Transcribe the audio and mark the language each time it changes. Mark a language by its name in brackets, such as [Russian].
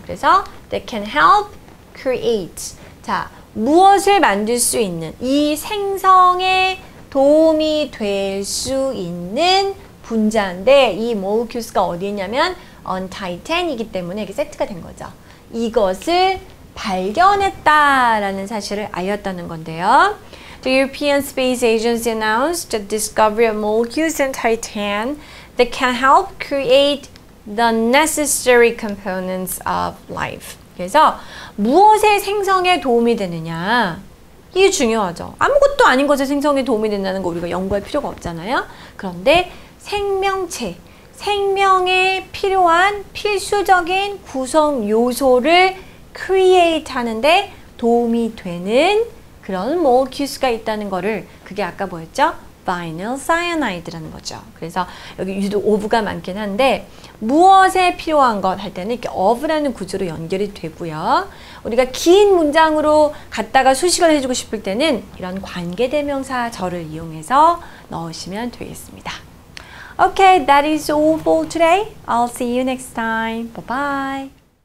[Korean] 그래서 [English] they can help create [Korean] 자, 무엇을 만들 수 있는 이 생성에 도움이 될 수 있는 분자인데 이 molecules가 어디 있냐면 [English] on Titan [Korean] 이기 때문에 이렇게 세트가 된 거죠. 이것을 발견했다라는 사실을 알렸다는 건데요. [English] The European Space Agency announced the discovery of molecules in Titan that can help create the necessary components of life. [Korean] 그래서 무엇의 생성에 도움이 되느냐? 이게 중요하죠. 아무것도 아닌 것에 생성에 도움이 된다는 거 우리가 연구할 필요가 없잖아요. 그런데 생명체 생명에 필요한 필수적인 구성 요소를 create 하는데 도움이 되는 그런 molecules가 있다는 거를 그게 아까 뭐였죠? vinyl cyanide라는 거죠. 그래서 여기 유독 of가 많긴 한데 무엇에 필요한 것 할 때는 이렇게 of라는 구조로 연결이 되고요. 우리가 긴 문장으로 갖다가 수식을 해주고 싶을 때는 이런 관계대명사 절을 이용해서 넣으시면 되겠습니다. [English] Okay, that is all for today. I'll see you next time. Bye-bye.